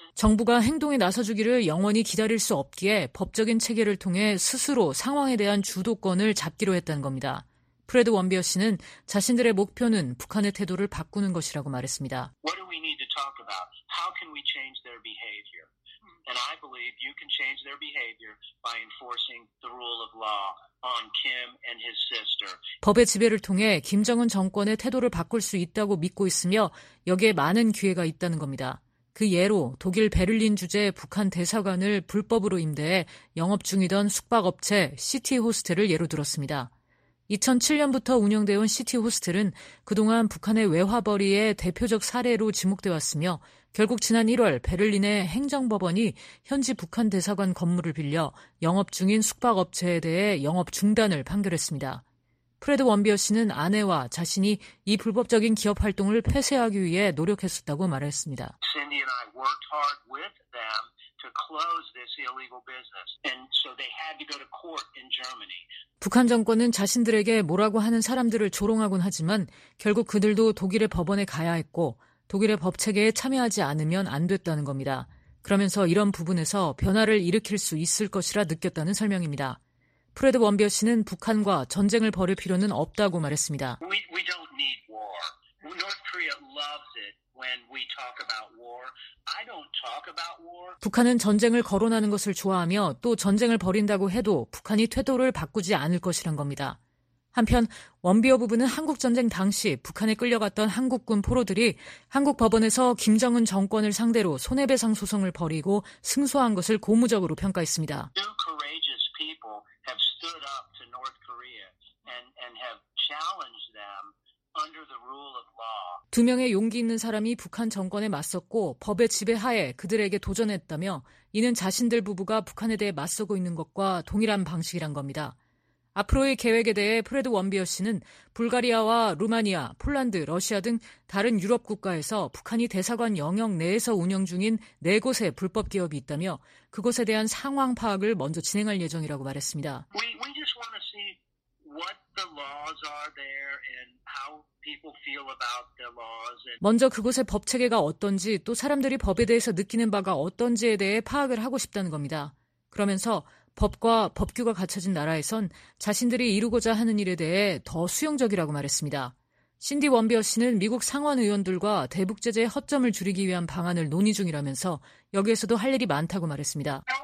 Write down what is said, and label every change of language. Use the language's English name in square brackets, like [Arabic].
[Korean] 정부가 행동에 나서주기를 영원히 기다릴 수 없기에 법적인 체계를 통해 스스로 상황에 대한 주도권을 잡기로 했다는 겁니다. 프레드 원비어 씨는 자신들의 목표는 북한의 태도를 바꾸는 것이라고 말했습니다. [English] What do we need to talk about? How can we change their behavior? And I believe you can change their behavior by enforcing the rule of law on Kim and his sister. [Korean] 법의 지배를 통해 김정은 정권의 태도를 바꿀 수 있다고 믿고 있으며 여기에 많은 기회가 있다는 겁니다. 그 예로 독일 베를린 주재 북한 대사관을 불법으로 임대해 영업 중이던 숙박업체 시티 호스텔을 예로 들었습니다. 2007년부터 운영되어 온 시티 호스텔은 그동안 북한의 외화벌이의 대표적 사례로 지목돼 왔으며 결국 지난 1월 베를린의 행정법원이 현지 북한 대사관 건물을 빌려 영업 중인 숙박업체에 대해 영업 중단을 판결했습니다. 프레드 원비어 씨는 아내와 자신이 이 불법적인 기업 활동을 폐쇄하기 위해 노력했었다고 말했습니다. [English] Cindy and I worked hard with them to close this illegal business. And so they had to go to court in Germany. [Korean] 북한 정권은 자신들에게 뭐라고 하는 사람들을 조롱하곤 하지만 결국 그들도 독일의 법원에 가야 했고 독일의 법체계에 참여하지 않으면 안 됐다는 겁니다. 그러면서 이런 부분에서 변화를 일으킬 수 있을 것이라 느꼈다는 설명입니다. 프레드 원비어 씨는 북한과 전쟁을 벌일 필요는 없다고 말했습니다. [English] We don't need war. North Korea loves it when we talk about war. I don't talk about war. [Korean] 북한은 전쟁을 거론하는 것을 좋아하며 또 전쟁을 벌인다고 해도 북한이 태도를 바꾸지 않을 것이란 겁니다. 한편 원비어 부부는 한국전쟁 당시 북한에 끌려갔던 한국군 포로들이 한국 법원에서 김정은 정권을 상대로 손해배상 소송을 벌이고 승소한 것을 고무적으로 평가했습니다. [English] Two courageous people have stood up to North Korea and have challenged them under the rule of law. [Korean] 두 명의 용기 있는 사람이 북한 정권에 맞섰고 법의 지배하에 그들에게 도전했다며 이는 자신들 부부가 북한에 대해 맞서고 있는 것과 동일한 방식이란 겁니다. 앞으로의 계획에 대해 프레드 원비어 씨는 불가리아와 루마니아, 폴란드, 러시아 등 다른 유럽 국가에서 북한이 대사관 영역 내에서 운영 중인 네 곳의 불법 기업이 있다며 그곳에 대한 상황 파악을 먼저 진행할 예정이라고 말했습니다. [English] We just want to see what the laws are there and how people feel about the laws. [Korean] 먼저 그곳의 법 체계가 어떤지 또 사람들이 법에 대해서 느끼는 바가 어떤지에 대해 파악을 하고 싶다는 겁니다. 그러면서 법과 법규가 갖춰진 나라에선 자신들이 이루고자 하는 일에 대해 더 수용적이라고 말했습니다. 신디 원비어 씨는 미국 상원 의원들과 대북 제재의 허점을 줄이기 위한 방안을 논의 중이라면서 여기에서도 할 일이 많다고 말했습니다.